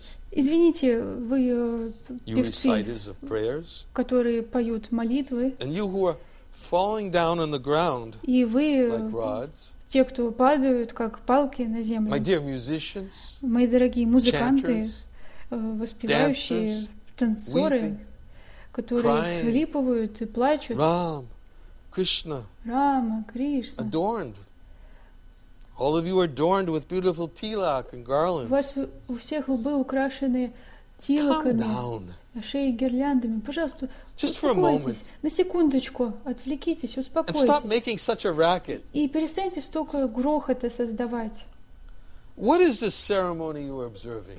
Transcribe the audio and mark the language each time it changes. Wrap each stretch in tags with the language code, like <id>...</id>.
<ru>извините, вы певцы, которые поют молитвы, и вы, те, кто падают, как палки на землю, мои дорогие музыканты, воспевающие, танцоры, которые всхлипывают и плачут. Рам, Кришна. Рама, Кришна.</ru> <en>Adorned. All of you are adorned with beautiful tilak and garlands.</en> <ru>У вас у всех лбы украшены тилаками.</ru> <en>Calm down.</en> <ru>Шеи гирляндами. Пожалуйста,</ru> <en>just for a moment.</en> <ru>На секундочку. Отвлекитесь, успокойтесь.</ru> <en>And stop making such a racket.</en> <ru>И перестаньте столько грохота создавать.</ru> <en>What is this ceremony you are observing?</en>